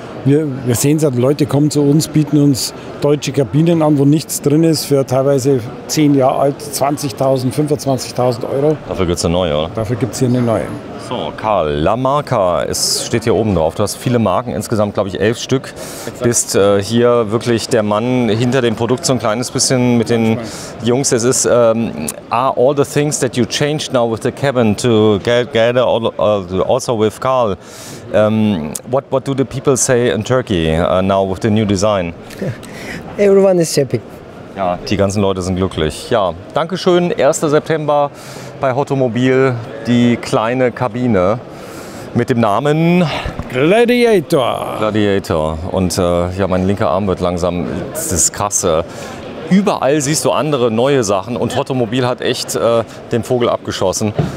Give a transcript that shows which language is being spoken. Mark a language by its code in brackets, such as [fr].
[de] Wir sehen es ja, Leute kommen zu uns, bieten uns deutsche Kabinen an, wo nichts drin ist, für teilweise 10 Jahre alt, 20.000, 25.000 Euro. Dafür gibt es eine neue, oder? Dafür gibt es hier eine neue. So, Karl, La Marca, es steht hier oben drauf. Du hast viele Marken, insgesamt glaube ich 11 Stück. Exakt. Bist hier wirklich der Mann hinter dem Produkt, so ein kleines bisschen mit den Jungs. Es ist, [en] are all the things that you changed now with the cabin to gather also with Karl? What do the people say in Turkey now with the new design? Everyone is happy. [de] Ja, die ganzen Leute sind glücklich. Ja, danke schön. 1. September bei Hottomobil, die kleine Kabine mit dem Namen Gladiator. Gladiator. Und ja, mein linker Arm wird langsam, das ist krasse. Überall siehst du andere neue Sachen und Hottomobil hat echt den Vogel abgeschossen.